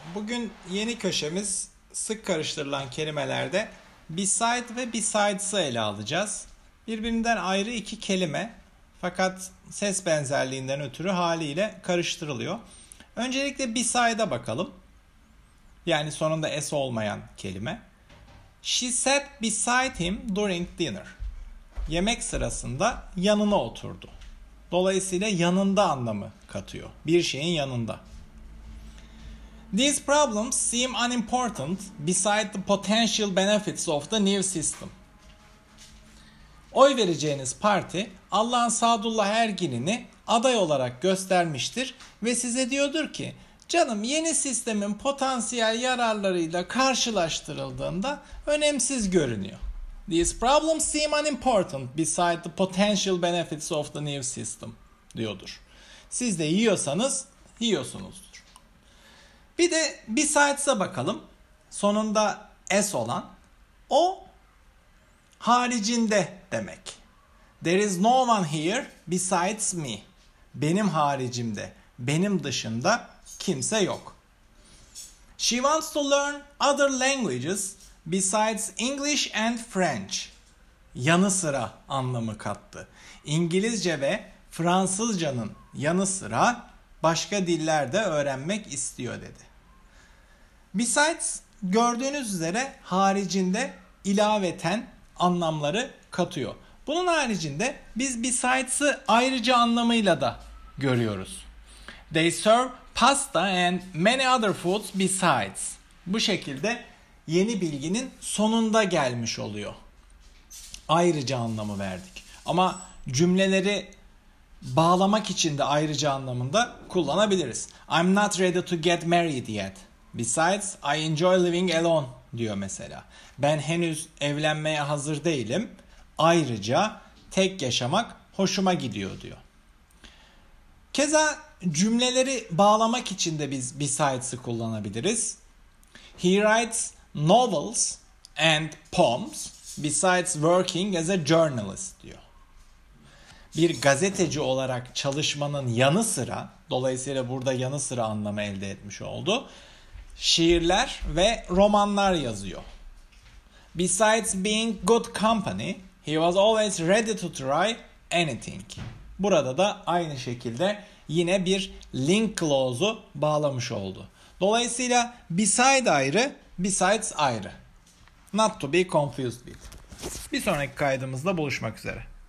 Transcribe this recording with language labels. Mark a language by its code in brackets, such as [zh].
[tr] Bugün yeni köşemiz sık karıştırılan kelimelerde beside ve besides'ı ele alacağız. Birbirinden ayrı iki kelime fakat ses benzerliğinden ötürü haliyle karıştırılıyor. Öncelikle beside'a bakalım. Yani sonunda s olmayan kelime. [en] She sat beside him during dinner. [tr] Yemek sırasında yanına oturdu. Dolayısıyla yanında anlamı katıyor. Bir şeyin yanında. [en] These problems seem unimportant beside the potential benefits of the new system. [tr] Oy vereceğiniz parti Allah'ın Sadullah Ergin'ini aday olarak göstermiştir ve size diyordur ki canım yeni sistemin potansiyel yararlarıyla karşılaştırıldığında önemsiz görünüyor. [en] These problems seem unimportant beside the potential benefits of the new system, diyordur. [tr] Siz de yiyorsanız, yiyorsunuzdur. Bir de besides'a bakalım. Sonunda s olan, o haricinde demek. [en] There is no one here besides me. [tr] Benim haricimde, benim dışında kimse yok. [en] She wants to learn other languages besides English and French. [tr] Yanı sıra anlamı kattı. İngilizce ve Fransızcanın yanı sıra başka diller de öğrenmek istiyor dedi. Besides, gördüğünüz üzere haricinde ilaveten anlamları katıyor. Bunun haricinde biz besides'ı ayrıca anlamıyla da görüyoruz. [en] They serve pasta and many other foods besides. [tr] Bu şekilde yeni bilginin sonunda gelmiş oluyor. Ayrıca anlamı verdik. Ama cümleleri bağlamak için de ayrıca anlamında kullanabiliriz. [en] I'm not ready to get married yet. Besides, I enjoy living alone, [tr] diyor mesela. Ben henüz evlenmeye hazır değilim. Ayrıca tek yaşamak hoşuma gidiyor, diyor. Keza cümleleri bağlamak için de biz besides'ı kullanabiliriz. [en] He writes novels and poems besides working as a journalist, diyor. [tr] Bir gazeteci olarak çalışmanın yanı sıra, dolayısıyla burada yanı sıra anlamı elde etmiş oldu, şiirler ve romanlar yazıyor. [en] Besides being good company, he was always ready to try anything. [tr] Burada da aynı şekilde yine bir link clause'u bağlamış oldu. Dolayısıyla beside ayrı, besides ayrı. [en] Not to be confused with. [tr] Bir sonraki kaydımızda buluşmak üzere.